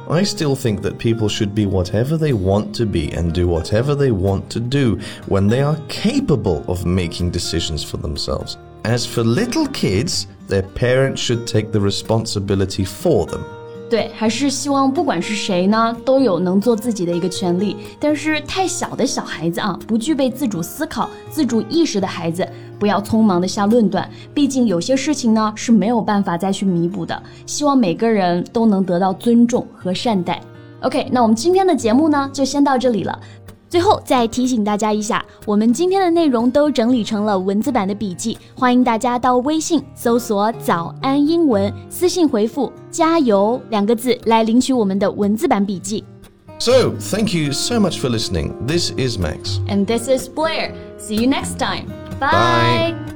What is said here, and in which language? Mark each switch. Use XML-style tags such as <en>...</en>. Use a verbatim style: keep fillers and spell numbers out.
<en>I still think that people should be whatever they want to be and do whatever they want to do when they are capable of making decisions for themselves. As for little kids, their parents should take the responsibility for them.</en> <zh>对，还是希望不管是谁呢，都有能做自己的一个权利。但是太小的小孩子啊，不具备自主思考、自主意识的孩子，不要匆忙的下论断。毕竟有些事情呢，是没有办法再去弥补的。希望每个人都能得到尊重和善待。 OK， 那我们今天的节目呢，就先到这里了。最后再提醒大家一下，我们今天的内容都整理成了文字版的笔记，欢迎大家到微信搜索早安英文，私信回复加油两个字来领取我们的文字版笔记。</zh> <en>So, thank you so much for listening. This is Max. And this is Blair. See you next time. Bye. Bye.</en>